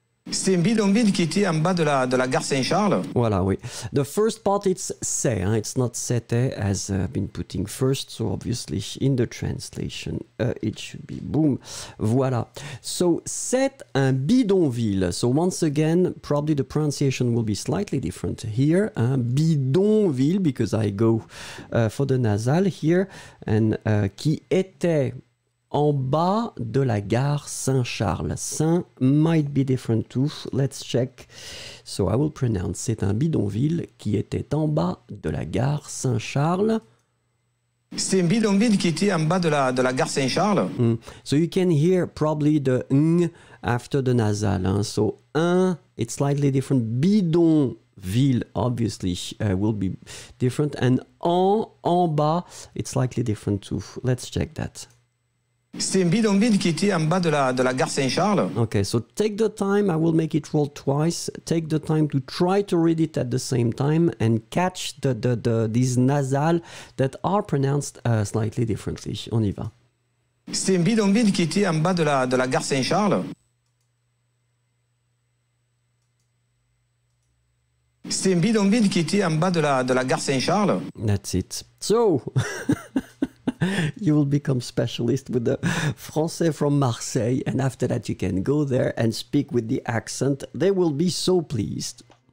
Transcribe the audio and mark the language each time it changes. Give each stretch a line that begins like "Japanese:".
French: C'était un bidonville qui était en bas de la gare Saint-Charles. Voilà, oui.
English: The first part, it's c'est. Hein? It's not c'était, as I've been putting first. So obviously, in the translation, it should be boom.
French: Voilà. So, c'est un bidonville.
English: So once again, probably the pronunciation will be slightly different here. Hein? Bidonville, because I go for the nasal here.
French: And qui était... En bas de la gare Saint-Charles.
English: Saint might be different too. Let's check. So I will pronounce.
French: C'est un bidonville qui était en bas de la gare Saint-Charles. C'est un bidonville qui était en bas de la gare Saint-Charles. Mm.
English: So you can hear probably the ng after the nasal. Hein? So un, it's slightly different. Bidonville, obviously, will be different. And en bas, it's slightly different too. Let's check that.
French: C'est un bidonville qui était en bas de la gare Saint-Charles.
English: Okay, so take the time, I will make it roll twice. Take the time to try to read it at the same time and catch these nasales that are pronounced slightly differently.
French: On y va. C'est un bidonville qui était en bas de la gare Saint-Charles. C'est un bidonville qui était en bas de la gare Saint-Charles.
English: That's it. So... You will become specialist with the français from Marseille, and after that you can go there and speak with the accent. They will be so pleased.